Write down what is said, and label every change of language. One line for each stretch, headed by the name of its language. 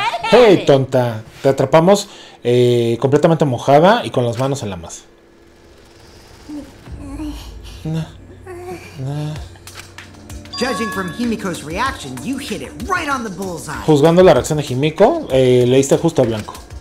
Spanish: ¡Hey, tonta! Te atrapamos completamente mojada y con las manos en la masa.
English: Judging from Himiko's reaction, you hit it right on the bullseye.
Spanish: Juzgando la reacción de Himiko, le diste justo al blanco.